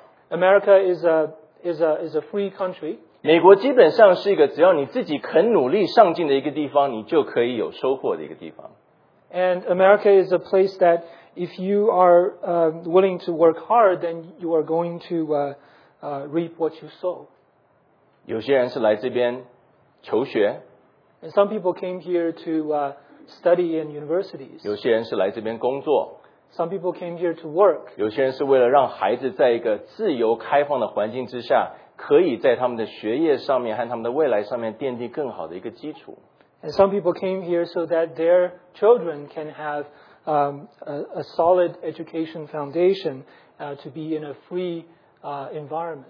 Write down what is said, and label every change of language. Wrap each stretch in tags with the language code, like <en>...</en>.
<en>America is a free country.</en> <zh>美国基本上是一个只要你自己肯努力上进的一个地方,你就可以有收获的一个地方。</zh> <en>And America is a place that if you are willing to work hard, then you are going to reap what you sow.</en> <zh>有些人是来这边求学,</zh> <en>And some people came here to study in universities.</en> <zh>有些人是来这边工作,</zh> <en>Some people came here to work.</en> <zh>有些人是为了让孩子在一个自由开放的环境之下, 可以在他们的学业上面和他们的未来上面奠定更好的一个基础。</zh> <en>And some people came here so that their children can have a solid education foundation to be in a free environment.</en>